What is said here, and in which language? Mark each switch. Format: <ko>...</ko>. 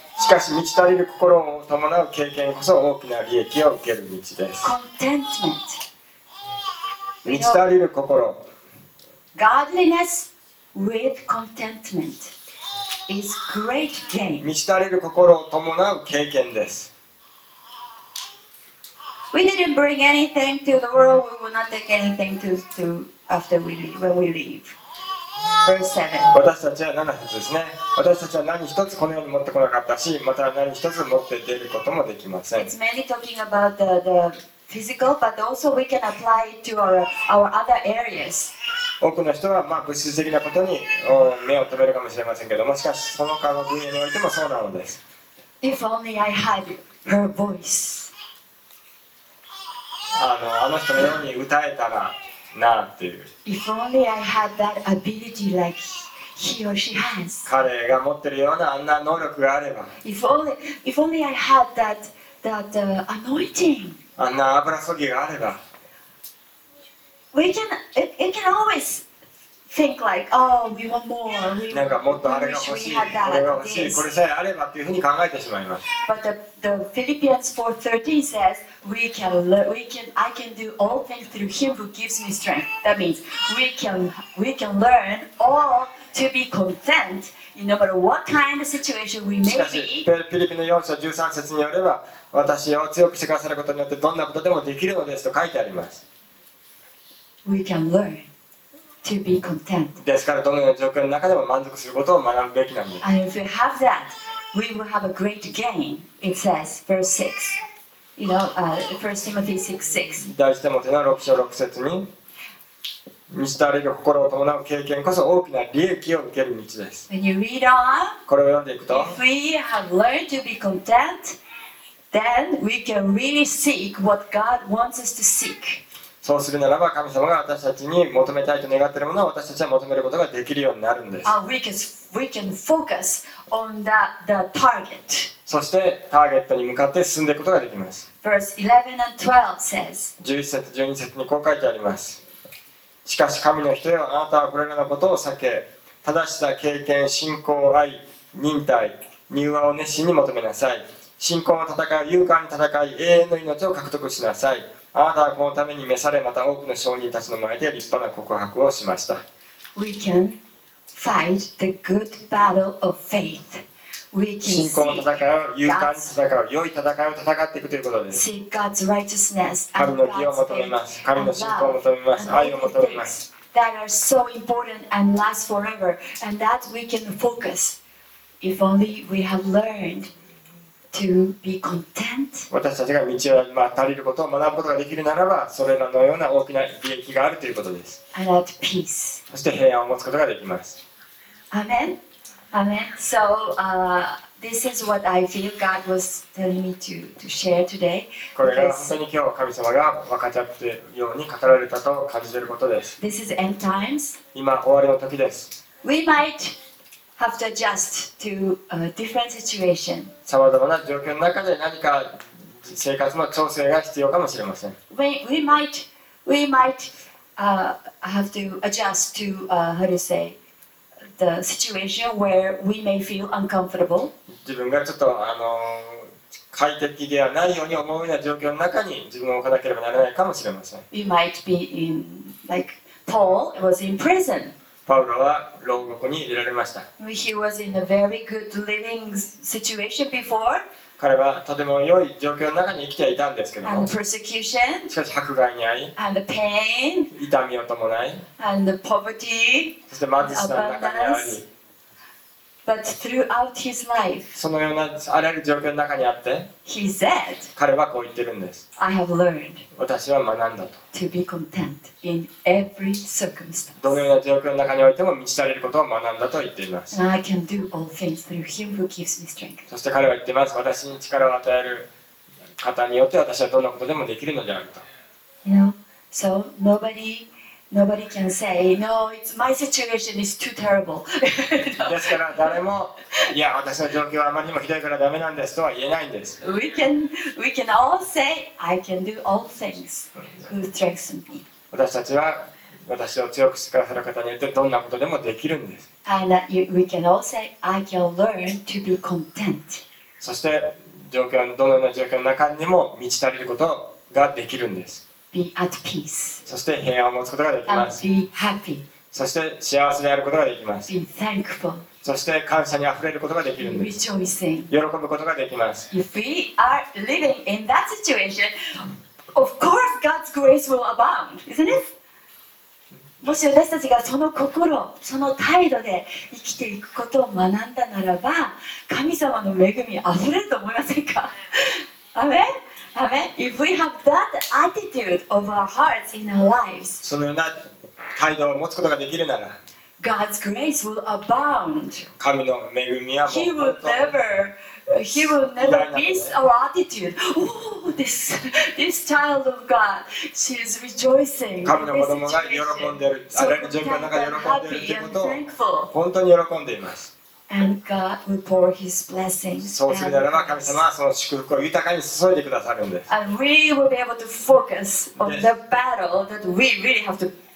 <ja>しかし満ち足りる心を伴う経験こそ大きな利益を受ける道です。</ja> <en>Contentment.</en> <ja>満ち足りる心。</ja> <en>You know, godliness with contentment is great gain.</en> <ja>満ち足りる心を伴う経験です。</ja> <en>We didn't bring anything to the world. We will not take anything to after we leave, when we leave. Verse 7.</en> <ja>私たちは7節ですね。私たちは何一つこの世に持ってこなかったし、また何一つ持って出ることもできません。</ja> <en>It's mainly talking about the physical, but also we can apply it to our other areas.</en> <ja>多くの人は、まあ、物質的なことに目を止めるかもしれませんけども、しかしその他の分野においてもそうなのです。</ja> <en>If only I had her voice.</en> <ja>あの人のように歌えたらなっていう。</ja> <en>If only I had that ability like he or she has.</en> <ja>彼が持ってるようなあんな能力があれば。</ja> <en>If only I had that anointing.</en> <ja>あんな油注ぎがあれば。</ja> <en>We can it can always think like, oh, we want more. We wish we had that.</en> <ja>なんかもっとあれが欲しい、これが欲しい、これさえあればっていうふうに考えてしまいます。</ja> <en>But the Philippians 4:13 says. We can learn. We can. I can do all things through Him who gives me strength. That means we can learn all to be content, no matter what kind of situation we may be.</en> <ja>しかし、フィリピの4章13節によれば、私を強くしてくださることによってどんなことでもできるのですと書いてあります。</ja> <en>We can learn to be content.</en> <ja>ですから、どのような状況の中でも満足することを学ぶべきなんです。</ja> <en>And if we have that, we will have a great gain. It says, verse 6. 1 Timothy 6:6.</en> <ja>第一テモテの6章6節に、満ち足りる心を伴う経験こそ大きな利益を受ける道です。</ja> <en>When you read on,</en> <ja>これを読んでいくと、</ja> <en>If we have learned to be content, then we can really seek what God wants us to seek.</en> <ja>そうするならば、神様が私たちに求めたいと願っているものを私たちは求めることができるようになるんです。</ja> <en>We can focus on the target.</en> <ja>そしてターゲットに向かって進んでいくことができます。</ja> <en>Verse 11 and 12 says,</en> <ja>11節12節にこう書いてあります。しかし神の人よ、あなたはこれらのことを避け、正しさ、経験、信仰、愛、忍耐、柔和を熱心に求めなさい。信仰を戦う、勇敢に戦い、永遠の命を獲得しなさい。あなたはこのために召され、また多くの証人たちの前で立派な告白をしました。</ja> <en>We can fight the good battle of faith.</en> <ja>信仰の戦いを勇敢に戦う、良い戦いを戦っていくということです。</ja> <en>Seek God's righteousness and</en> <ja>神の義を求めます。神の信仰を求めます。愛を求めます。</ja> <en>That are so important and last forever, and that we can focus if only we have learned to be content.</en> <ja>私たちが道を、まあ、足りることを学ぶことができるならば、それらのような大きな利益があるということです。</ja> <en>And at peace.</en> <ja>そして平安を持つことができます。</ja> <en>Amen. Amen. So, this is what I feel God was telling me to share today.</en> <ja>これが本当に今日神様が分かち合っているように語られたと感じていることです。</ja> <en>This is end times.</en> <ja>今終わりの時です。</ja> <en>We might have to adjust to a different situation.</en> <ja>様々な状況の中で何か生活の調整が必要かもしれません。</ja> <en>We might have to adjust to, how to say,The situation where we may feel uncomfortable.</en> <ja>自分がちょっと快適ではないように思うような状況の中に自分を置かなければならないかもしれません。</ja> <en>You might be in, like Paul was in prison.</en> <ja>パウロは牢獄に入れられました。</ja> <en>He was in a very good living situation before.</en> <ja>彼はとても良い状況の中に生きていたんですけども。</ja> <en>And persecution.</en> <ja>しかし迫害に遭い。</ja> <en>And the pain.</en> <ja>痛みを伴い。</ja> <en>And the poverty.</en> <ja>そして貧しさの中にあり、</ja> <en>But throughout his life,</en> <ja>そのようなあらゆる状況の中にあって、</ja> <en>he said,</en> <ja>彼はこう言ってるんです。</ja> <en>I have learned</en> <ja>私は学んだと。</ja> <en>To be content in every circumstance.</en> <ja>どのような状況の中においても満ち足りることを学んだと言っています。</ja> <en>And I can do all things through him who gives me strength.</en> <ja>そして彼は言ってます。私に力を与える方によって私はどんなことでもできるのであると。</ja> <en>You know, so nobody Nobody can say, no, it's, my situation is too terrible.</en> <ja>ですから誰も、いや、私の状況はあまりにもひどいからダメなんですとは言えないんです。</ja> <en>We can all say, I can do all things who strengthen me.</en> <ja>私たちは私を強くしてくださる方によってどんなことでもできるんです。</ja> <en>And we can all say, I can learn to be content.</en> <ja>そして状況、どのような状況の中にも満ち足りることができるんです。</ja> <en>Be at peace.</en> <ja>そして平和を持つことができます。</ja> <en>And be happy.</en> <ja>そして幸せであることができます。</ja> <en>Be thankful.</en> <ja>そして感謝にあふれることができるんです。</ja> <en>Be rejoicing.</en> <ja>喜ぶことができます。</ja> <en>If we are living in that situation, of course God's grace will abound, isn't it?</en> <ja>もし私たちがその心、その態度で生きていくことを学んだならば、神様の恵みあふれると思いませんか？アメン？アメン？</ja> <en>If we have that attitude of our hearts in our lives,</en> <ja>そのような態度を持つことができるなら、</ja> <en>God's grace will abound.</en> <ja>神の恵みはもう、</ja> <en>He will never miss our attitude. Oh, this child of God, she is rejoicing.</en> <ja>神の子供が喜んでいる、あれの状況の中で喜んでいるということを本当に喜んでいます。</ja> <en>And God will pour His blessings.</en> <ja>そうするならば神様はその祝福を豊かに注いでくださるんです。</ja> <en>And we will be able to focus on the battle that we really have to.</en>